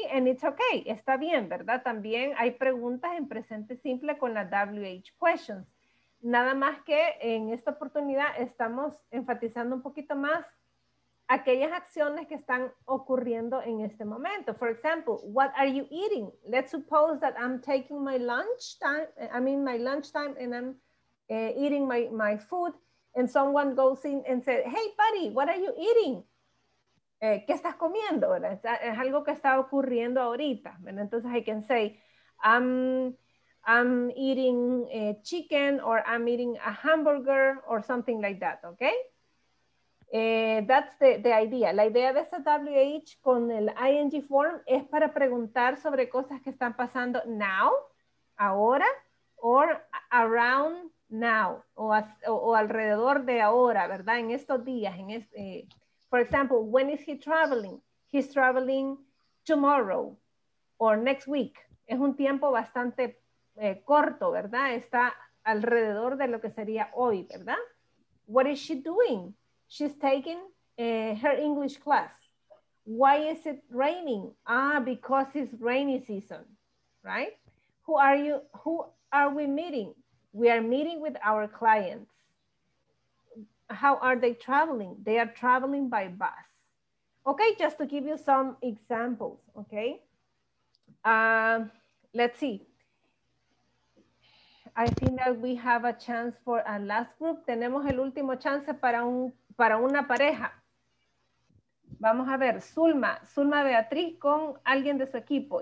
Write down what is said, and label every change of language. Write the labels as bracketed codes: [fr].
[en] And it's okay, [es] está bien, ¿verdad? También hay preguntas en presente simple con la WH questions. Nada más que en esta oportunidad estamos enfatizando un poquito más aquellas acciones que están ocurriendo en este momento. [en] For example, what are you eating? Let's suppose that I'm taking my lunch time, I mean my lunch time, and I'm eating my food, and someone goes in and says, hey buddy, what are you eating? [es] ¿Qué estás comiendo? Es algo que está ocurriendo ahorita. Bueno, entonces [en] I can say, I'm eating chicken, or I'm eating a hamburger, or something like that, okay? That's the idea. [es] La idea de esta WH con el ING form es para preguntar sobre cosas que están pasando [en] now, [es] ahora, [en] or around now, [es] o alrededor de ahora, ¿verdad? En estos días, [en] for example, when is he traveling? He's traveling tomorrow, or next week. [es] Es un tiempo bastante corto, ¿verdad? Está alrededor de lo que sería hoy, ¿verdad? [en] What is she doing? She's taking her English class. Why is it raining? Ah, because it's rainy season, right? Who are we meeting? We are meeting with our clients. How are they traveling? They are traveling by bus. Okay, just to give you some examples, okay? Let's see. I think that we have a chance for a last group. [es] Tenemos el último chance para una pareja. Vamos a ver, Zulma Beatriz con alguien de su equipo.